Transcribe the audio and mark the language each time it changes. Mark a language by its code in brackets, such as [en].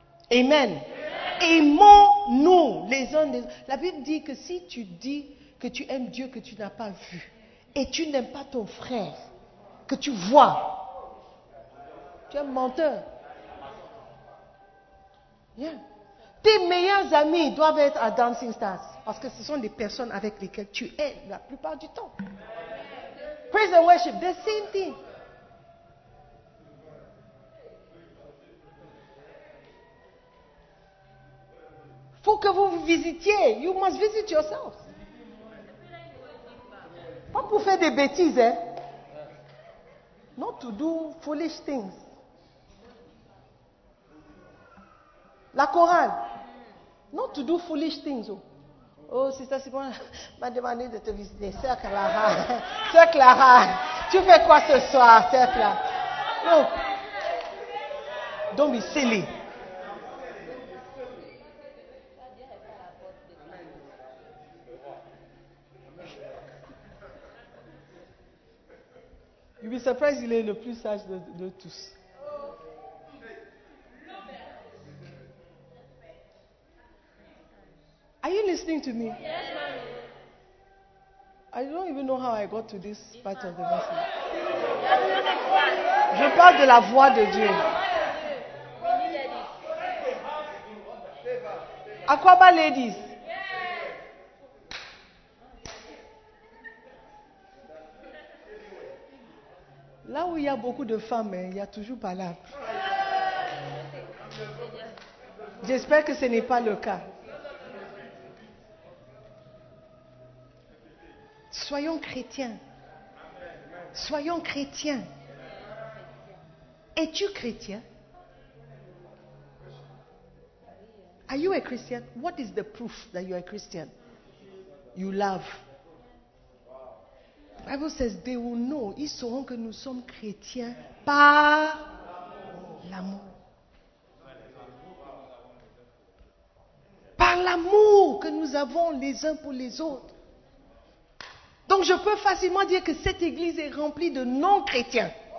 [fr] Amen. Aimons-nous les uns des autres. La Bible dit que si tu dis que tu aimes Dieu que tu n'as pas vu et tu n'aimes pas ton frère que tu vois, tu es un menteur. Yeah. Tes meilleurs amis doivent être à Dancing Stars parce que ce sont des personnes avec lesquelles tu es la plupart du temps. [en] Praise and worship, the same thing. [fr] Faut que vous vous visitiez. [en] You must visit yourself. [fr] Pas pour faire des bêtises, hein. [en] Not to do foolish things. [fr] La chorale. [en] Not to do foolish things. [fr] Oh, sister Simone m'a demandé de te visiter. Sœur Clara. Sœur Clara, tu fais quoi ce soir, sœur Clara? Non. [en] Don't be silly. You'll be surprised, [fr] il est le plus sage de tous. [en] Are you listening to me? Yes, ma'am. I don't even know how I got to this part of the message. [fr] Je parle de la voix de Dieu. [en] Aquaba ladies. [fr] Là où il y a beaucoup de femmes, il y a toujours pas là. J'espère que ce n'est pas le cas. Soyons chrétiens. Soyons chrétiens. Es-tu chrétien? [en] Are you a Christian? What is the proof that you are a Christian? You love. [fr] La Bible [en] says, they will know, [fr] ils sauront que nous sommes chrétiens par l'amour. Par l'amour que nous avons les uns pour les autres. Donc je peux facilement dire que cette église est remplie de non-chrétiens.